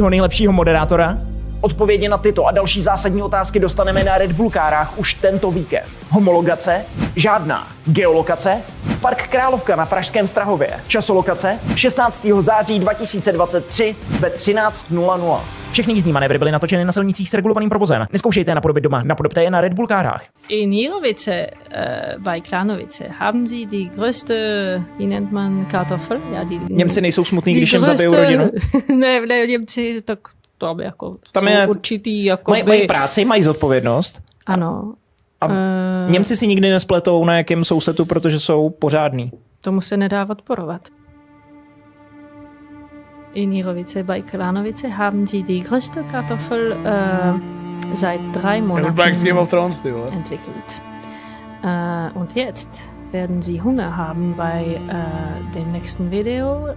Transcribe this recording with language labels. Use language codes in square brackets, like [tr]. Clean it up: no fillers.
[cs] nejlepšího moderátora? Odpovědi na tyto a další zásadní otázky dostaneme na Red Bull kárách už tento víkend. Homologace? Žádná. Geolokace? Park Královka na Pražském Strahově. Časolokace? 16. září 2023 ve 13:00. Všechny jízdní manévry byly natočeny na silnicích s regulovaným provozem. Neskoušejte je napodobit doma, napodobte je na Red Bull kárách. [de] In Jírovice, bei Klánovice, haben Sie die größte, wie nennt man Kartoffel? Ja, die, [cs] Němci nejsou smutný, když jim zabijou rodinu. ne, Němci to... To by jako tam je, určitý... Jako mají, mají práci, mají zodpovědnost. Ano. A Němci si nikdy nespletou, na jakém sousedu, protože jsou pořádní. Tomu se nedá odporovat. [de] In Jirovice bei Klánovice haben sie die größte Kartoffel seit 3 Monaten entwickelt. Und jetzt werden sie Hunger haben bei dem nächsten Video.